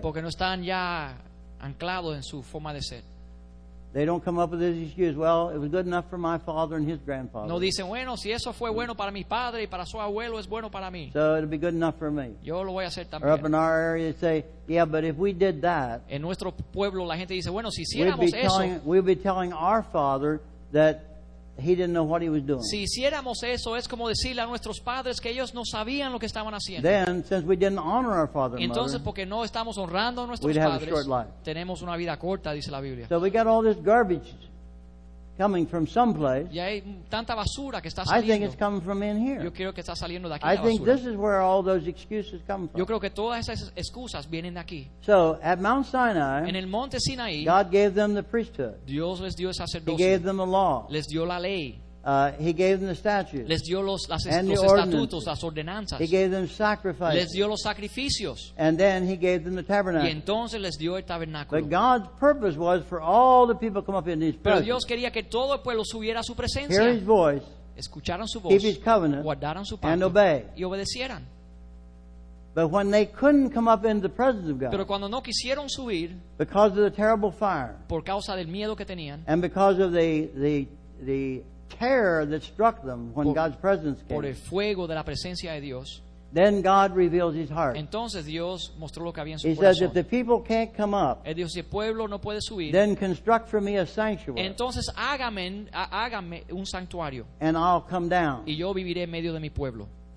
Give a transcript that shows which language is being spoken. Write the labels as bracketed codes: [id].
[es] Porque no están ya anclados en su forma de ser. [en] They don't come up with this excuse. Well, it was good enough for my father and his grandfather. [es] No dicen, bueno, si eso fue bueno para mi padre y para su abuelo, es bueno para mí. [en] So it'll be good enough for me. [es] Yo lo voy a hacer también. [en] Or up in our area, say, yeah, but if we did that, [es] en nuestro pueblo la gente dice, bueno, si hiciéramos eso, [en] we'd be telling our father that he didn't know what he was doing. [es] Si hiciéramos eso, es como decirle a nuestros padres que ellos no sabían lo que estaban haciendo. [en] Then, since we didn't honor our father and [es] entonces, [en] mother, [es] porque no estamos honrando a nuestros [en] we'd [es] padres, [en] have a short life. [es] Tenemos una vida corta, dice la Biblia. [en] So we got all this garbage coming from someplace. [es] Y hay tanta basura que está saliendo. [en] I think it's coming from in here. [es] Yo creo que está saliendo de aquí. [en] I think this is where all those excuses come from. [es] Yo creo que todas esas excusas vienen de aquí. [en] So at Mount Sinai, [es] en el monte Sinaí, [en] God gave them the priesthood. [es] Dios les dio el sacerdocio. [en] He gave them the law. [es] Les dio la ley. [en] He gave them the statutes. [es] Les dio los [en] and the [es] estatutos, las ordenanzas. [en] He gave them sacrifices. [es] Les dio los sacrificios. [en] And then he gave them the tabernacle. [es] Y entonces les dio el tabernáculo. [en] But God's purpose was for all the people to come up in his presence. [es] Pero Dios quería que todo el pueblo subiera a su presencia. [en] Hear his voice. [es] Escucharan su voz. [en] Keep his covenant. [es] Guardaran su pacto. [en] And obey. [es] Y obedecieran. [en] But when they couldn't come up in the presence of God, [es] pero cuando no quisieron subir, [en] because of the terrible fire, [es] por causa del miedo que tenían, [en] and because of the terror that struck them when God's presence came. [es] Por el fuego de la presencia de Dios. [en] Then God reveals his heart. [es] Entonces Dios mostró lo que había en su corazón. [en] He says, if the people can't come up, [es] el Dios, si el pueblo no puede subir, [en] then construct for me a sanctuary. [es] Entonces hágame un santuario. [en] And I'll come down. [es] Y yo viviré en medio de mi pueblo.